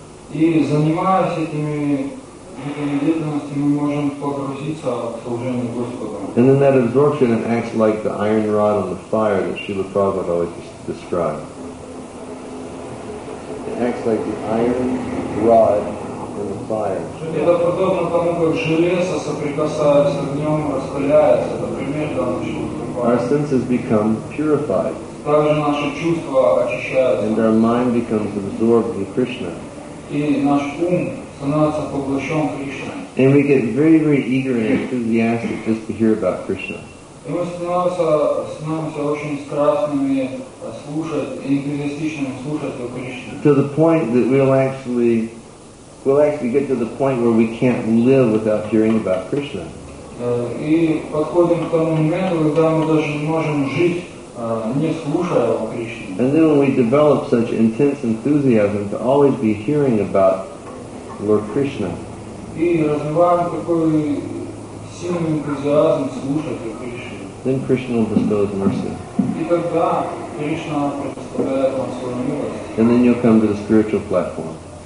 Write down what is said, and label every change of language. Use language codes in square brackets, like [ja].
[en] And then that absorption acts like the iron rod on the fire that Srila Prabhupada always described. Acts like the iron rod in the fire. [ru] Это подобно тому, как железо соприкасается с огнем, распыляется. Например, данный [en] Our senses become purified. [ru] Также наши чувства очищаются. [en] And our mind becomes absorbed in Krishna. [ru] И наш ум становится поглощен Кришной. [en] And we get very, very eager and enthusiastic just to hear about Krishna. [ru] И мы становимся очень страстными слушать, энтузиастичными слушать о Кришне. [en] To the point that we'll actually get to the point where we can't live without hearing about Krishna. [ru] И подходим к тому моменту, когда мы даже не можем жить, не слушая о Кришне. [en] And then when we develop such intense enthusiasm to always be hearing about Lord Krishna. [ru] И развиваем такой сильный энтузиазм слушать о Кришне. [en] Then Krishna will bestow his mercy. [ru] И тогда Кришна предоставляет нам свою милость. [en] And then you'll come to the spiritual platform.